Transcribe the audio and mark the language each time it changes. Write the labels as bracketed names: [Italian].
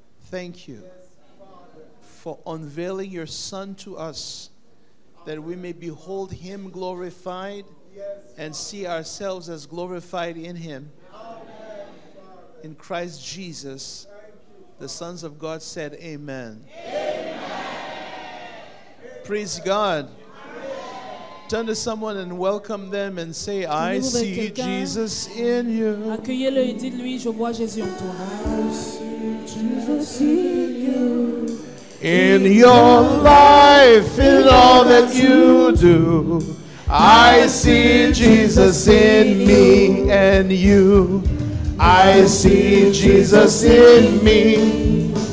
[English] Thank you for unveiling your Son to us that we may behold Him glorified and see ourselves as glorified in Him. In Christ Jesus. The sons of God said, amen. Amen. Praise God. Amen. Turn to someone and welcome them and say, I see Jesus in you. [French] Accueillez-le et dites-lui, je vois Jésus en toi. [English] I see Jesus in you. In your life, in all that you do, I see Jesus in me and you. I see Jesus in me.